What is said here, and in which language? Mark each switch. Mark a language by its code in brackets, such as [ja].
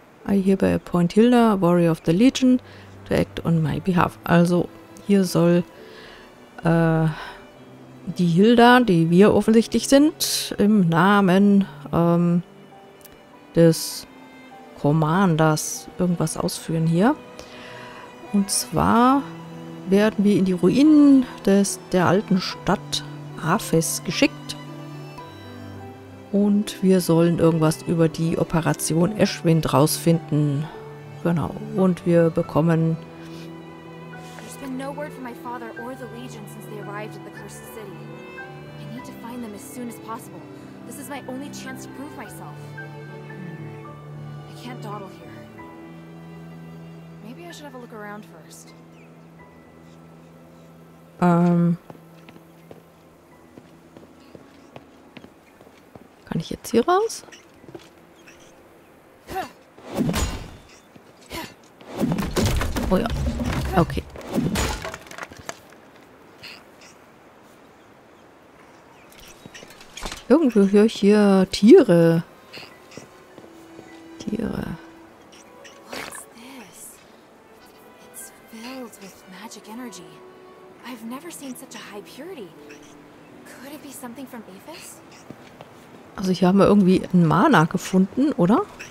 [en] I hereby appoint Hilda, Warrior of the Legion, to act on my behalf. [de] Also, hier soll die Hilda, die wir offensichtlich sind, im Namen des Commanders irgendwas ausführen hier. Und zwar werden wir in die Ruinen der alten Stadt Aphes geschickt. Und wir sollen irgendwas über die Operation Ashwind rausfinden. Genau. Und wir bekommen... [en] There's been no word from my father or the Legion since they arrived at the Cursed City. I need to find them as soon as possible. This is my only chance to prove myself. I can't dawdle here. Maybe I should have a look around first. [de] Kann ich jetzt hier raus? Oh ja. Okay. Irgendwo höre ich hier Tiere. Tiere. [en] What's this? It's filled with magic energy. I've never seen such a high purity. Could it be something from Aphes? [de] Also hier haben wir irgendwie einen Mana gefunden, oder?